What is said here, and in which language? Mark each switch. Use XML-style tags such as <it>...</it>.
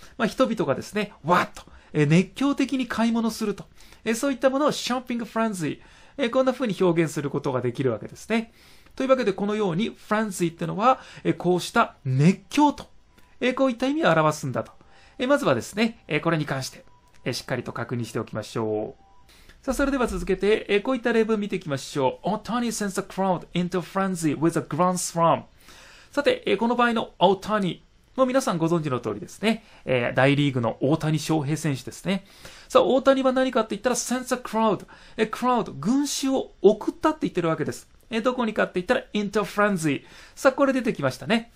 <ja>まあ、人々がですね、わーっと、熱狂的に買い物すると、そういったものをショッピングフレンズイ、こんな風に表現することができるわけですね。というわけでこのようにフレンズイってのは、こうした熱狂と、こういった意味を表すんだと。まずはですね、これに関して、しっかりと確認しておきましょう。さあ、それでは続けて、こういった例文見ていきましょう。</ja> <en>Otani sends a crowd into frenzy with a grand slam.</en> <ja>さて、この場合の Otani、もう皆さんご存知の通りですね。大リーグの大谷翔平選手ですね。さあ、大谷は何かって言ったら</ja> <en>sends a crowd。</en> <ja>crowd、群衆を送ったって言ってるわけです。どこにかって言ったら</ja> <en>into frenzy。</en> <ja>さあ、これ出てきましたね。</ja>